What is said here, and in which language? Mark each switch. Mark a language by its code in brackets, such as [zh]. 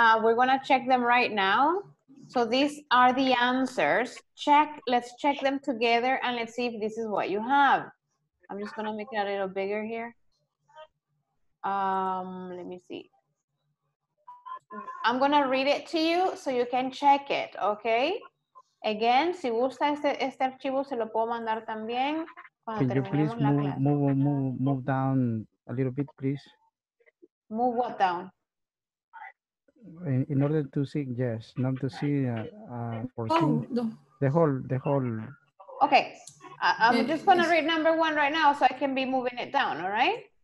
[en] We're gonna check them right now. So these are the answers. Let's check them together and let's see if this is what you have. I'm just gonna make it a little bigger here. Let me see. I'm gonna read it to you so you can check it, okay? [es] Again, si gusta este archivo, se lo puedo mandar también. [en] Can you please move down a little bit, please? Move what down? In order to see, yes, not to see, for oh, see. The whole. Okay, I'm just gonna read number one right now so I can be moving it down, all right?